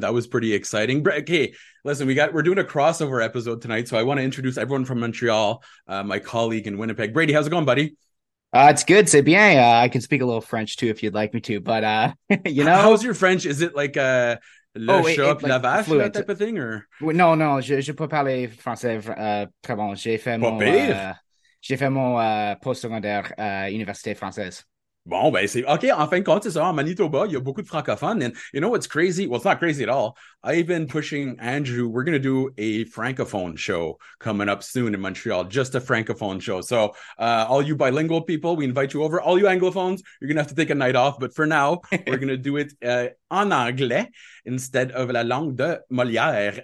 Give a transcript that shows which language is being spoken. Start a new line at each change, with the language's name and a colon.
English: That was pretty exciting. Okay, listen, we're doing a crossover episode tonight, so I want to introduce everyone from Montreal, my colleague in Winnipeg. Brady, how's it going, buddy? It's good,
French: c'est bien.
English: I can speak a little French too if you'd like me to, but How's your French? Is it like
French: le chat puis la
English: like
French: vache, là,
English: fluent. type of thing, or?
French: No, je peux parler français très bon. Pas pire. J'ai fait mon post-secondaire à l'université française. Bon, ben, c'est OK. En fin de compte, c'est ça. En Manitoba, il y a beaucoup de francophones.
English: And you know what's crazy? Well, it's not crazy at all. I've been pushing Andrew. We're going to do a francophone show coming up soon in Montreal, just a francophone show. So, all you bilingual people, we invite you over. All you anglophones, you're going to have to take a night off. But for now, we're going to do it
French: en anglais
English: instead of
French: la langue de Molière.